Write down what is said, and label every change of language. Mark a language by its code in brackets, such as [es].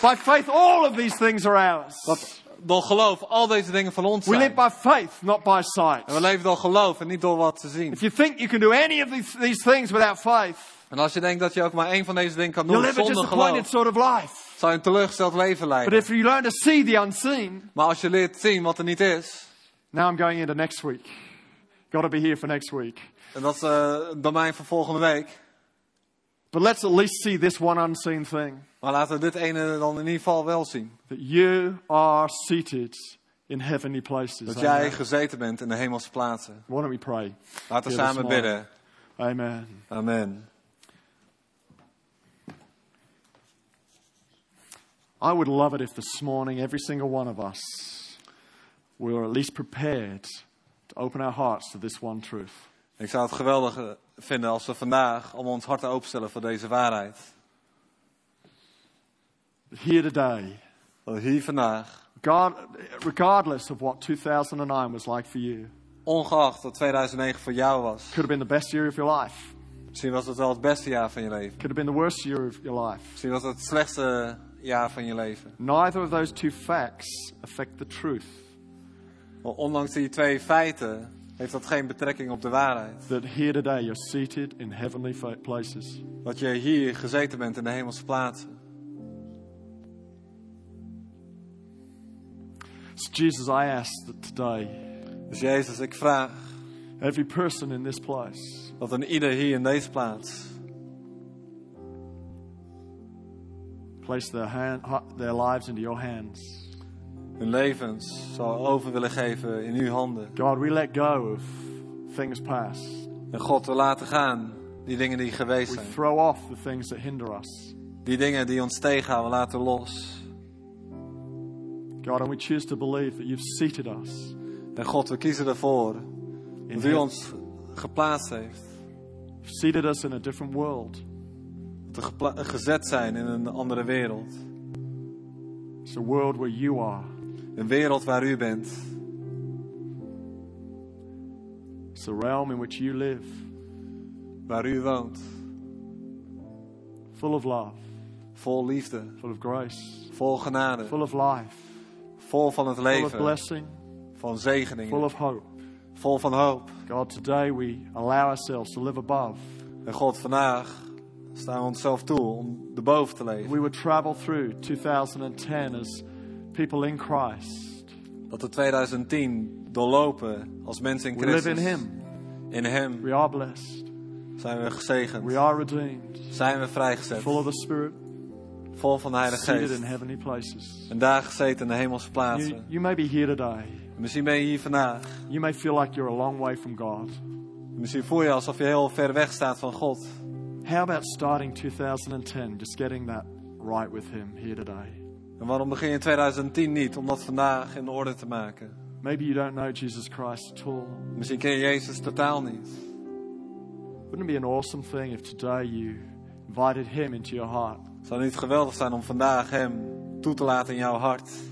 [en] By faith all of these things are ours. [nl] Dat door geloof al deze dingen van ons we zijn. [en] We live by faith, not by sight. [nl] En we leven door geloof en niet door wat te zien. [en] If you think you can do any of these things without faith. [nl] En als je denkt dat je ook maar één van deze dingen kan doen zonder geloof, [en] sort of life. [nl] Zou je een teleurgesteld leven leiden. [en] But if you learn to see the unseen, [nl] maar als je leert zien wat er niet is. [en] Now I'm going into next week. Got to be here for next week. [nl] En dat is domein voor volgende week. [en] But let's at least see this one unseen thing. [nl] Maar laten we dit ene dan in ieder geval wel zien. [en] That you are seated in heavenly places. [nl] Dat jij gezeten bent in de hemelse plaatsen. [en] Why don't we pray? [nl] Laten we samen bidden. [en] Amen. [nl] Amen. [en] I would love it if this morning every single one of us were at least prepared to open our hearts to this one truth. [nl] Ik zou het geweldig vinden als we vandaag om ons hart te openstellen voor deze waarheid. [en] Here today. [nl] Hier vandaag. [en] God, regardless of what 2009 was like for you. [nl] Ongeacht wat 2009 voor jou was. [en] Could have been the best year of your life. [nl] Misschien was het wel het beste jaar van je leven. [en] Could have been the worst year of your life. [nl] Misschien was het slechtste jaar van je leven. [en] Neither of those two facts affect the truth. [nl] Maar ondanks die twee feiten heeft dat geen betrekking op de waarheid. [en] That here today you're seated in heavenly places. [nl] Dat je hier gezeten bent in de hemelse plaatsen. [en] Jesus, I ask that today. [nl] Dus Jezus, ik vraag. [en] Every person in this place. [nl] Dat een ieder hier in deze plaats. [en] Place their lives into your hands. [nl] Hun levens zou over willen geven in uw handen. [en] God, we let go of things past. [nl] En God, we laten gaan die dingen die geweest zijn. [en] We throw off the things that hinder us. [nl] Die dingen die ons tegenhouden, we laten los. [en] God, and we choose to believe that you've seated us. [nl] En God, we kiezen ervoor dat u ons geplaatst heeft. [en] You've seated us in a different world. [nl] Dat we gezet zijn in een andere wereld. [en] It's a world where you are. [nl] Een wereld waar u bent. [en] It's a realm in which you live. [nl] Waar u woont. [en] Full of love. [nl] Vol liefde. [en] Full of grace. [nl] Vol genade. [en] Full of life. [nl] Vol van het leven. [en] Full of blessing. [nl] Van zegeningen. [en] Full of hope. [nl] Vol van hoop. [en] God, today we allow ourselves to live above. [nl] En God, vandaag staan we onszelf toe om erboven te leven. [en] We would travel through 2010 as people in Christ. [nl] Dat we 2010 doorlopen als mensen in Christus. [en] We live in Him. [nl] In Hem. [en] We are blessed. [nl] Zijn we gezegend. [en] We are redeemed. [nl] Zijn we vrijgezet. [en] Full of the Spirit. [nl] Vol van de Heilige Geest. [en] In heavenly places. [nl] En daar gezeten in de hemelse plaatsen. [en] You may be here today. [nl] Misschien ben je hier vandaag. [en] You may feel like you're a long way from God. [nl] Misschien voel je alsof je heel ver weg staat van God. [en] How about starting 2010, just getting that right with Him here today? [nl] En waarom begin je in 2010 niet om dat vandaag in orde te maken? [en] Maybe you don't know Jesus Christ at all. [nl] Misschien ken je Jezus totaal niet. [en] Wouldn't it be an awesome thing if today you invited him into your heart? [nl] Zou het niet geweldig zijn om vandaag hem toe te laten in jouw hart?